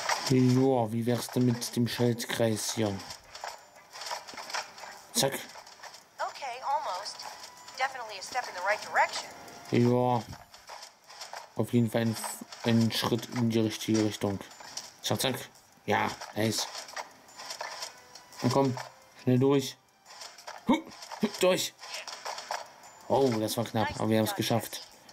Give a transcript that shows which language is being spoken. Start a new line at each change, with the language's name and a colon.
German: Joa, wie wär's denn mit dem Schaltkreis hier? Zack.
English: Okay, almost. Definitely a step in the right direction.
German: Joa. auf jeden Fall einen Schritt in die richtige Richtung. Zack, zack. Ja, nice. Und komm, schnell durch. Durch. Oh, das war knapp, aber wir haben es geschafft.